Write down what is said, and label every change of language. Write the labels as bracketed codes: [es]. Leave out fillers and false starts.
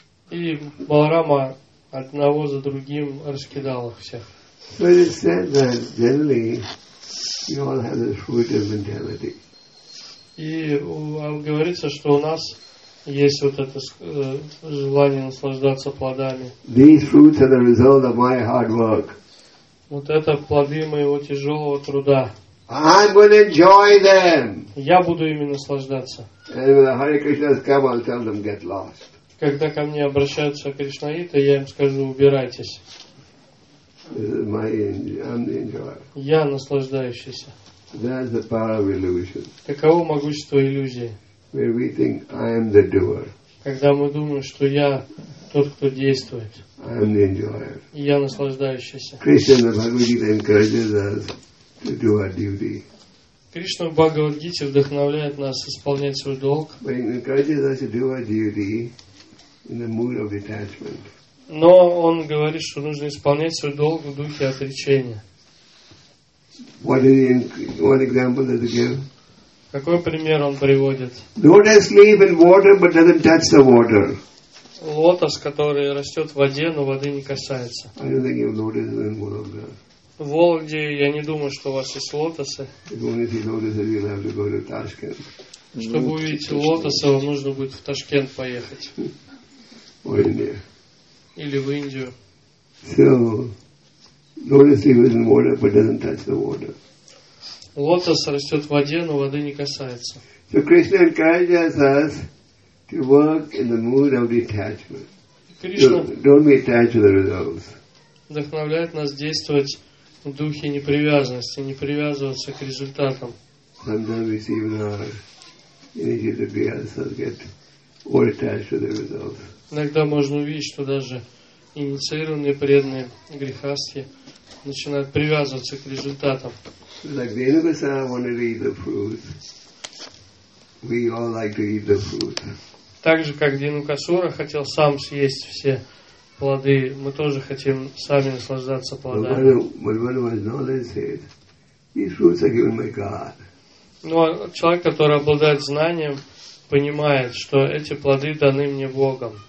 [ru] И Баларама одного за другим раскидал их всех. [en] So it is said that generally you all have this rooted mentality. [ru] И говорится, что у нас есть вот это желание наслаждаться плодами. [en] These fruits are the result of my hard work. [ru] Вот это плоды моего тяжелого труда. [en] I'm going to enjoy them. [ru] Я буду ими наслаждаться. [en] And when the Hare Krishnas come, I'll tell them, get lost. [ru] Когда ко мне обращаются кришнаиты, я им скажу, убирайтесь. [en] I'm the enjoyer. [ru] Я наслаждающийся. [en] That's the power of illusion. [ru] Таково могущество иллюзии. [en] Where we think I am the doer. [ru] Когда мы думаем, что я тот, кто действует. [en] I am the enjoyer. [ru] Я наслаждающийся. [en] Krishna Bhagavad Gita encourages us to do our duty. [ru] Кришна в Бхагавад-гите вдохновляет нас исполнять свой долг. [en] But he encourages us to do our duty in the mood of detachment. [ru] Но он говорит, что нужно исполнять свой долг в духе отречения. [en] What example does he give? [ru] Какой пример он приводит? [en] Lotus leaf in water, but doesn't touch the water. [ru] Лотос, который растет в воде, но воды не касается. [en] I don't think you have lotus in Vologda. [ru] В Вологде я не думаю, что у вас есть лотосы. [en] If you only see lotuses, you'll have to go to Tashkent. [ru] Чтобы увидеть лотосы, вам нужно будет в Ташкент поехать. [en] Or India. [ru] Или в Индию. [en] So, lotus leaf is in water, but doesn't touch the water. [ru] Лотос растет в воде, но воды не касается. [en] So Krishna encourages us to work in the mood of detachment. Don't be attached to the results. [ru] Вдохновляет нас действовать в духе непривязанности, не привязываться к результатам. [en] Sometimes we see even our energy to be ourselves get all attached to the results. [ru] Иногда можно увидеть, что даже инициированные преданные грехасти начинают привязываться к результатам. [en] Like Dhenukasura wanted to eat the fruit, we all like to eat the fruit. [ru] Так же, как Динукасура хотел сам съесть все плоды, мы тоже хотим сами наслаждаться плодами. Но человек, который обладает знанием, понимает, что эти плоды даны мне Богом.